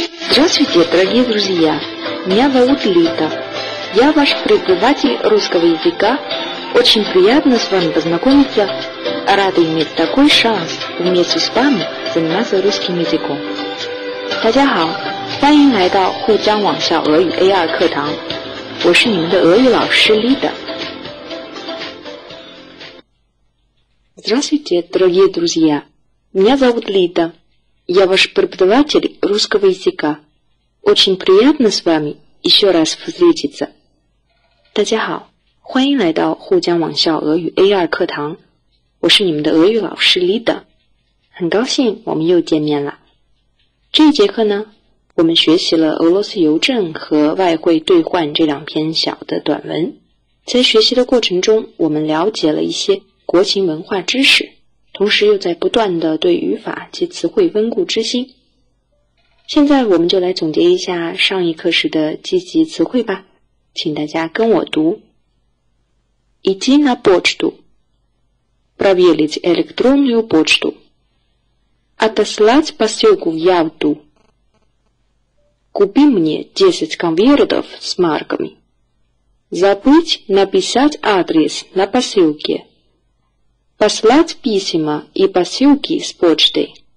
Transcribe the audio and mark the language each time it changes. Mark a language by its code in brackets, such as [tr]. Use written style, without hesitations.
[ru] Здравствуйте, дорогие друзья! Меня зовут Лита. Я ваш преподаватель русского языка. Очень приятно с вами познакомиться. Рада иметь такой шанс вместе с вами заниматься русским языком. [zh] 大家好，欢迎来到沪江网校俄语 AR 课堂。我是你们的俄语老师 Лита。 [ru] Здравствуйте, дорогие друзья! Меня зовут Лита. Я ваш преподаватель русского языка. Очень приятно с вами еще раз встретиться. [zh] 大家好，欢迎来到沪江网校俄语 AR 课堂。我是你们的俄语老师 Лита。很高兴我们又见面了。这一节课呢，我们学习了俄罗斯邮政和外汇兑换这两篇小的短文。在学习的过程中，我们了解了一些国情文化知识，同时又在不断地对语法及词汇温故知新。现在我们就来总结一下上一课时的积极词汇吧，请大家跟我读。 [ru] Иди на почту, проверить электронную почту, отослать посылку в Ялту, купи мне 10 конвертов с марками, забыть написать адрес на посылке,Послать письма и посылки с почтой.